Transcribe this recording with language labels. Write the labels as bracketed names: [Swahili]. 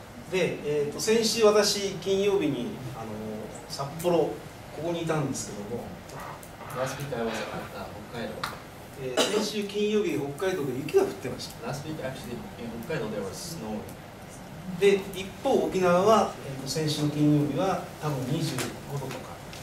[Japanese] で、先週私金曜日に札幌ここにいたんですけども、 [English] Last week I was at Hokkaido. [Japanese] 先週金曜日北海道で雪が降ってました。 [English] Last week actually in Hokkaido there was snow. [Japanese] で一方沖縄は先週の金曜日は多分25度とか